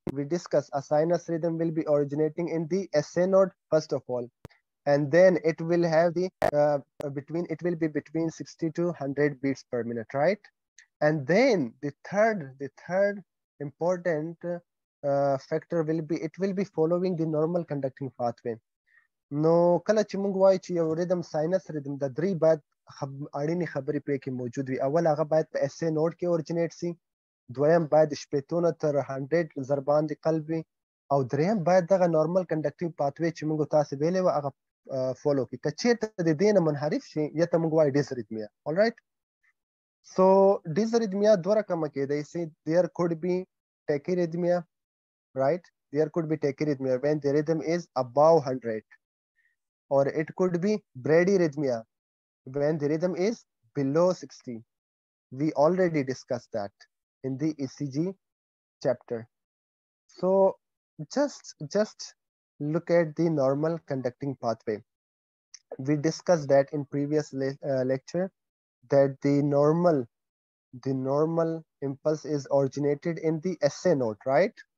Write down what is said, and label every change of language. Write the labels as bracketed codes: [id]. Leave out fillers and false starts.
[en] We discussed a sinus rhythm will be originating in the SA node first of all, and then it will have the between 60 to 100 beats per minute, right? And then the third important factor will be it will be following the normal conducting pathway. [ps] نو کله چې موږ وایو چې یو ریدم ساينس ریدم د درې باید اړینې خبرې په کې موجود وي اول هغه باید په اس ای نوډ کې اوریجینیټ سي دویم باید شپیتونه تر 100 ضربان د قلب وي او دریم باید دغه نورمال کنډکټیو پاتوي چې موږ تاسو ویلې و هغه فالو کی کچیرته د دې نه منحرف شي یا ته موږ وایو ډیسریتمیا اول رایت [en] So dysrhythmia دوه رقم کې دی see there could be tachyrhythmia right there could be tachyrhythmia when the rhythm is above 100 Or it could be bradyrhythmia when the rhythm is below 60. We already discussed that in the ECG chapter. So just look at the normal conducting pathway. We discussed that in previous lecture that the normal impulse is originated in the SA node, right?